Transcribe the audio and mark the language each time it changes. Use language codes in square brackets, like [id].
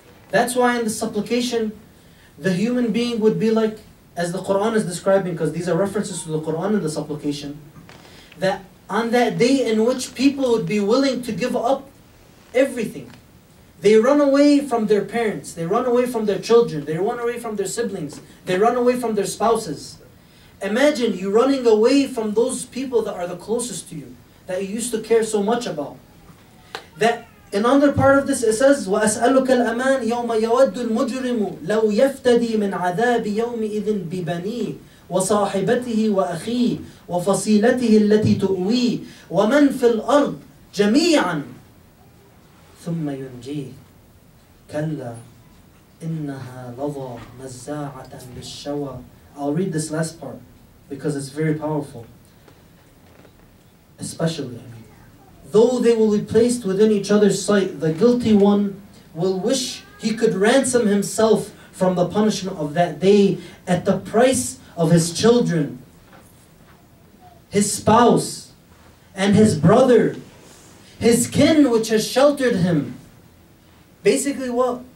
[en] That's why in the supplication, the human being would be like, as the Quran is describing, because these are references to the Quran in the supplication, that on that day in which people would be willing to give up everything, they run away from their parents, they run away from their children, they run away from their siblings, they run away from their spouses. Imagine you running away from those people that are the closest to you, that you used to care so much about. That in another part of this it says, [ar] وَأَسْأَلُكَ الْأَمَانِ يَوْمَ يَوَدُّ الْمُجْرِمُ لَوْ يَفْتَدِي مِنْ عَذَابِ يَوْمِئِذٍ بِبَنِيهِ وَصَاحِبَتِهِ وَأَخِيهِ وَفَصِيلَتِهِ الَّتِي تُؤْوِيهِ وَمَنْ فِي الْأَرْضِ جَمِيعًا ثُمَّ يُنْجِيهِ كَلَّا إِنَّهَا لَظَى نَزَّاعَةً لِلشَّوَى. [en] I'll read this last part because it's very powerful. Especially, though they will be placed within each other's sight, the guilty one will wish he could ransom himself from the punishment of that day at the price of his children, his spouse, and his brother, his kin which has sheltered him. Basically, what?